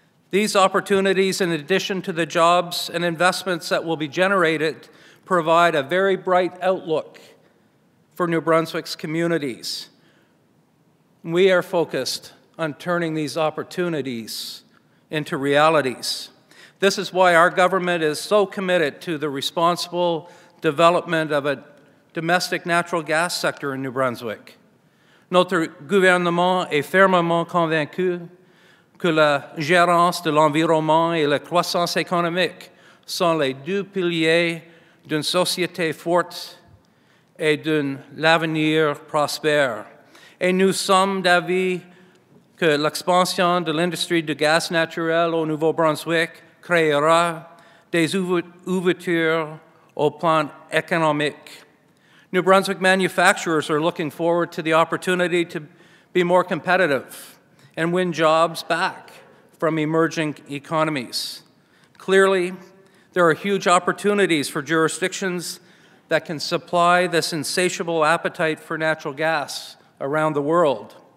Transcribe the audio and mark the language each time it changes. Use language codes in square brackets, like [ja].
[en] These opportunities, in addition to the jobs and investments that will be generated, provide a very bright outlook for New Brunswick's communities. We are focused on turning these opportunities into realities. This is why our government is so committed to the responsible development of a domestic natural gas sector in New Brunswick. [fr] Notre gouvernement est fermement convaincu que la gérance de l'environnement et la croissance économique sont les deux piliers d'une société forte et d'un avenir prospère. Et nous sommes d'avis que l'expansion de l'industrie du gaz naturel au Nouveau-Brunswick créera des ouvertures au plan économique. [en] New Brunswick manufacturers are looking forward to the opportunity to be more competitive and win jobs back from emerging economies. Clearly, there are huge opportunities for jurisdictions that can supply this insatiable appetite for natural gas around the world.